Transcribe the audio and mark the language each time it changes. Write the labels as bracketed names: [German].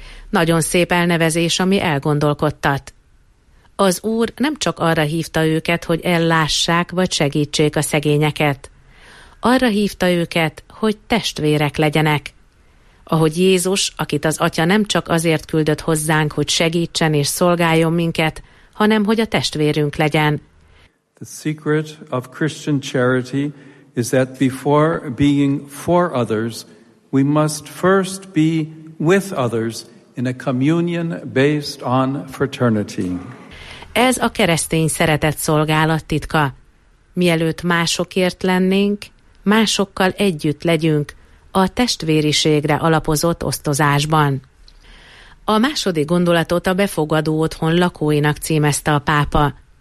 [Hungarian] Nagyon szép elnevezés, ami elgondolkodtat. Az Úr nem csak arra hívta őket, hogy ellássák vagy segítsék a szegényeket. Arra hívta őket, hogy testvérek legyenek. Ahogy Jézus, akit az Atya nem csak azért küldött hozzánk, hogy segítsen és szolgáljon minket, hanem hogy a testvérünk legyen. [English] The secret of Christian charity is that before being for others, we must first be with others in a communion based on fraternity. [Hungarian] Ez a keresztény szeretet szolgálat titka. Mielőtt másokért lennénk, másokkal együtt legyünk, a testvériségre alapozott osztozásban. A második gondolatot a befogadó otthon lakóinak címezte a pápa.